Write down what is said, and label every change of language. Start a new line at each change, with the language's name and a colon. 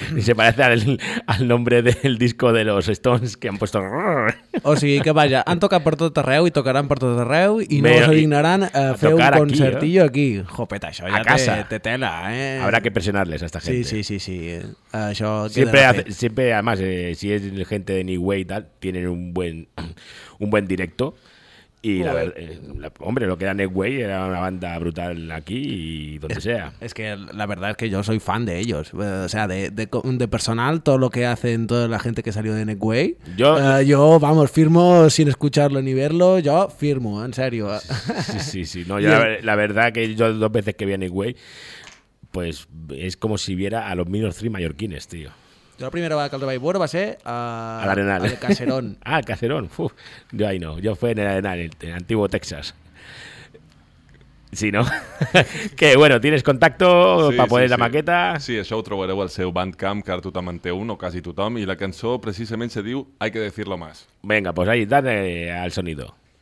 Spanish: I se parece al nombre del disco de los Stones que han puesto...
Catalan: O sigui que vaja, han tocat per tot arreu i tocaran per tot arreu i no us alignaran a fer un concertillo aquí. Jopeta, això ja té tela, eh?
Spanish: Habrá que presionarles a esta gente.
Catalan: Sí. Això sempre, sempre,
Spanish: además, si és gente de New Way y tal, tienen un buen directo. Y la verdad, hombre, lo que era Netway era una banda brutal aquí y donde sea. Es que la verdad es que yo soy fan de ellos. O sea, de personal, todo lo que hacen toda la gente que salió de Netway. Yo, vamos, firmo sin escucharlo ni verlo. Yo firmo, en serio. Sí. No, yo, la verdad que yo dos veces que vi a Netway, pues es como si viera a los Minor Three mallorquines, tío. Yo la primera vez que
Catalan: el vaig veure va ser
Spanish: al Arenal. Al Caserón. Ah, Caserón. Uf, yo ahí no. Yo fui en el Arenal, en Antiguo Texas. Sí, ¿no? Que, bueno, ¿tienes contacto para poder la maqueta?
Catalan: Sí, això ho trobareu al seu Bandcamp, que ara tothom en té un, o quasi tothom, i la cançó precisament se diu Hay que decirlo más.
Spanish: Venga, pues ahí, dale al sonido.